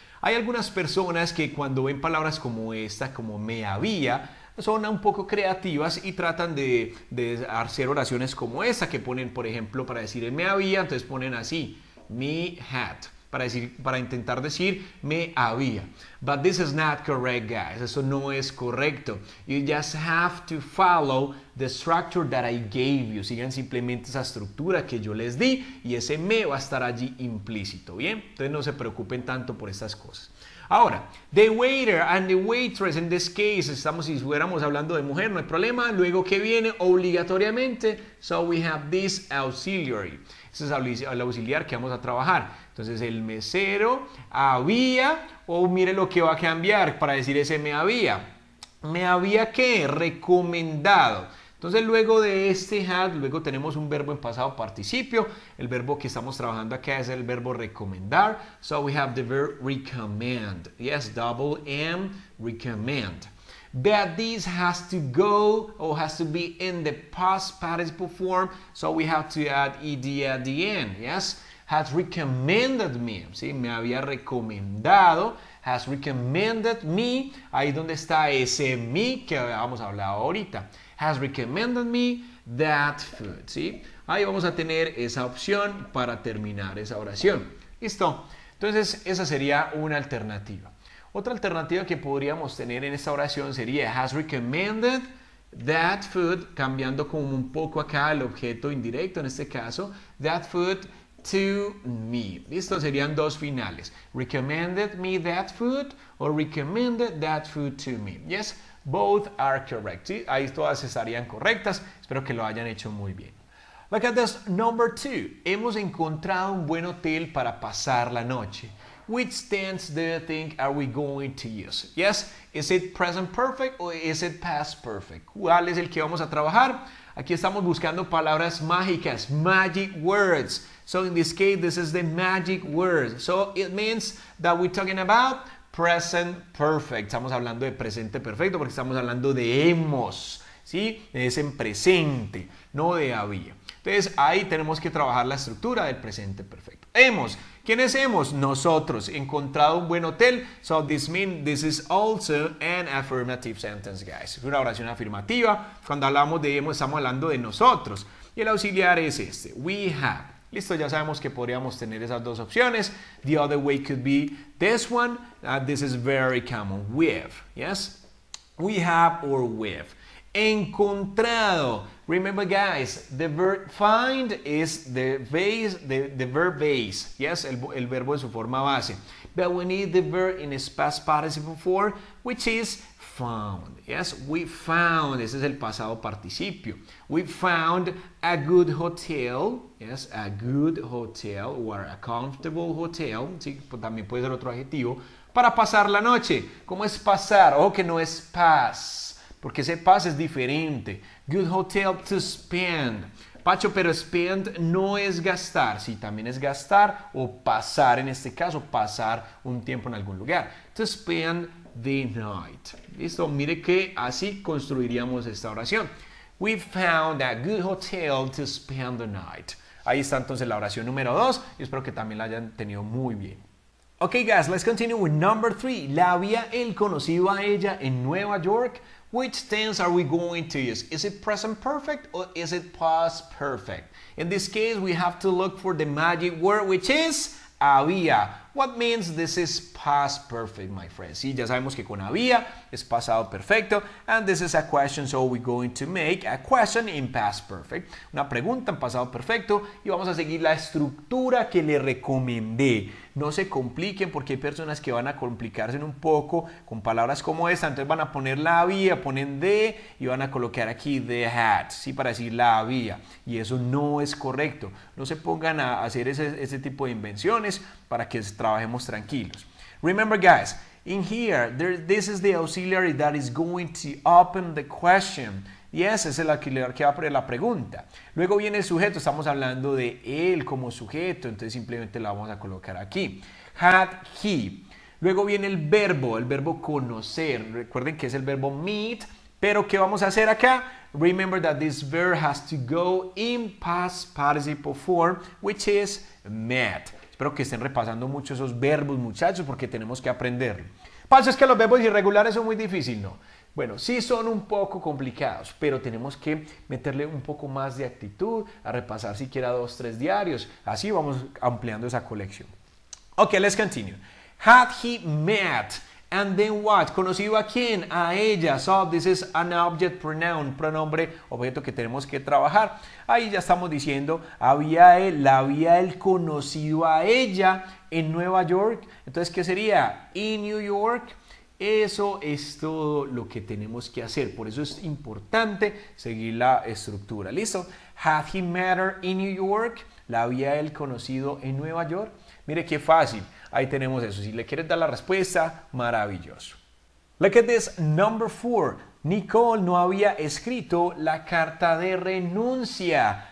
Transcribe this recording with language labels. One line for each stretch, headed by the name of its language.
Spanish: Hay algunas personas que cuando ven palabras como esta, como me había, son un poco creativas y tratan de hacer oraciones como esta que ponen, por ejemplo, para decir me había, entonces ponen así, me had, para intentar decir me había.
English: But this is not correct, guys.
Spanish: Eso no es correcto.
English: You just have to follow the structure that I gave you.
Spanish: Sigan simplemente esa estructura que yo les di y ese me va a estar allí implícito, ¿bien? Entonces no se preocupen tanto por estas cosas. Ahora,
English: the waiter and the waitress, in this case,
Spanish: estamos, si fuéramos hablando de mujer, no hay problema. Luego, ¿qué viene?
English: Obligatoriamente, so we have this auxiliary.
Spanish: Ese es el auxiliar que vamos a trabajar. Entonces, el mesero había, mire lo que va a cambiar para decir ese me había. ¿Me había qué? Recomendado. Entonces, luego de este had, luego tenemos un verbo en pasado participio. El verbo que estamos trabajando acá es el verbo recomendar.
English: So, we have the verb recommend. Yes, double M, recommend. That this has to go or has to be in the past participle form. So, we have to add ED at the end. Yes, has recommended me. ¿Sí?
Spanish: Me había recomendado.
English: Has recommended me.
Spanish: Ahí donde está ese me que habíamos hablado ahorita.
English: Has recommended me that food,
Spanish: ¿sí? Ahí vamos a tener esa opción para terminar esa oración. ¿Listo? Entonces, esa sería una alternativa. Otra alternativa que podríamos tener en esta oración sería
English: has recommended that food,
Spanish: cambiando como un poco acá el objeto indirecto en este caso,
English: that food to me.
Spanish: ¿Listo? Serían dos finales.
English: Recommended me that food or recommended that food to me. ¿Yes? Both are correct. ¿Sí?
Spanish: Ahí todas estarían correctas. Espero que lo hayan hecho muy bien.
English: Look at this number two.
Spanish: Hemos encontrado un buen hotel para pasar la noche.
English: Which tense do you think are we going to use? Yes, is it present perfect or is it past perfect?
Spanish: ¿Cuál es el que vamos a trabajar? Aquí estamos buscando palabras mágicas,
English: magic words. So in this case, this is the magic word. So it means that we're talking about present perfect.
Spanish: Estamos hablando de presente perfecto porque estamos hablando de hemos, ¿sí? Es en presente, no de había. Entonces, ahí tenemos que trabajar la estructura del presente perfecto. Hemos. ¿Quién es hemos? Nosotros. Encontrado un buen hotel.
English: So, this means this is also an affirmative sentence, guys.
Spanish: Es una oración afirmativa. Cuando hablamos de hemos, estamos hablando de nosotros. Y el auxiliar es este.
English: We have.
Spanish: Listo, ya sabemos que podríamos tener esas dos opciones.
English: The other way could be this one. This is very common. With, yes? We have or with.
Spanish: Encontrado.
English: Remember, guys, the verb find is the base, the verb base. Yes,
Spanish: el verbo en su forma base.
English: But we need the verb in its past participle form, which is found. Yes, we found.
Spanish: Ese es el pasado participio.
English: We found a good hotel. Yes, a good hotel or a comfortable hotel.
Spanish: Sí, también puede ser otro adjetivo. Para pasar la noche. ¿Cómo es pasar? Ojo que no es pass. Porque ese pass es diferente.
English: Good hotel to spend.
Spanish: Pacho, pero spend no es gastar. Sí, también es gastar o pasar, en este caso, pasar un tiempo en algún lugar.
English: To spend the night.
Spanish: Listo, mire que así construiríamos esta oración.
English: We found a good hotel to spend the night.
Spanish: Ahí está entonces la oración número 2 y espero que también la hayan tenido muy bien.
English: Ok, guys, let's continue with number 3.
Spanish: ¿La había él conocido a ella en Nueva York?
English: Which tense are we going to use? Is it present perfect or is it past perfect? In this case, we have to look for the magic word, which is había. What means this is past perfect, my friends?
Spanish: Sí, ya sabemos que con había es pasado perfecto.
English: And this is a question, so we're going to make a question in past perfect.
Spanish: Una pregunta en pasado perfecto. Y vamos a seguir la estructura que le recomendé. No se compliquen porque hay personas que van a complicarse un poco con palabras como esta. Entonces van a poner la había, ponen de y van a colocar aquí the hat, ¿sí? Para decir la había. Y eso no es correcto. No se pongan a hacer ese tipo de invenciones para que trabajemos tranquilos.
English: Remember, guys, in here, this is the auxiliary that is going to open the question.
Spanish: Yes, es el auxiliar que va a poner la pregunta. Luego viene el sujeto. Estamos hablando de él como sujeto. Entonces, simplemente la vamos a colocar aquí.
English: Had he.
Spanish: Luego viene el verbo conocer. Recuerden que es el verbo meet. Pero, ¿qué vamos a hacer acá?
English: Remember that this verb has to go in past participle form, which is met.
Spanish: Espero que estén repasando mucho esos verbos, muchachos, porque tenemos que aprenderlo. Pasa es que los verbos irregulares son muy difíciles, ¿no? Bueno, sí son un poco complicados, pero tenemos que meterle un poco más de actitud a repasar siquiera 2 o 3 diarios. Así vamos ampliando esa colección.
English: Ok, let's continue. Had he met and then what?
Spanish: ¿Conocido a quién? A ella.
English: So this is an object pronoun,
Spanish: pronombre, objeto que tenemos que trabajar. Ahí ya estamos diciendo, había él, la había él conocido a ella en Nueva York. Entonces, ¿qué sería?
English: In New York.
Spanish: Eso es todo lo que tenemos que hacer. Por eso es importante seguir la estructura. ¿Listo?
English: Had he met her in New York?
Spanish: ¿La había él conocido en Nueva York? Mire qué fácil. Ahí tenemos eso. Si le quieres dar la respuesta, maravilloso.
English: Look at this number 4.
Spanish: Nicole no había escrito la carta de renuncia.